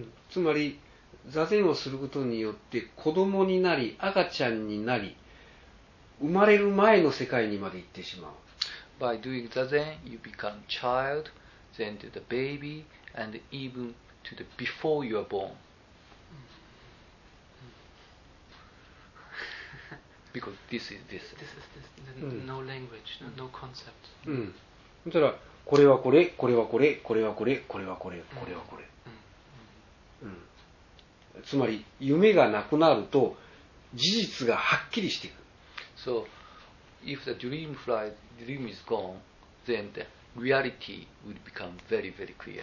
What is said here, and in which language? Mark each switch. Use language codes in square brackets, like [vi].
[ja] つまり座禅をすることによって子供になり赤ちゃんになり生まれる前の世界にまで行ってしまう。 [en] By doing zazen, you become child, then to the baby, and even to the before you are born. Because this is this. This is this. No language, no concept. [ja] そしたらこれはこれ、これはこれ、これはこれ、これはこれ、これはこれ。つまり夢がなくなると事実がはっきりしていく。 [en] So, if the dream flies, dream is gone, then the reality would become very, very clear.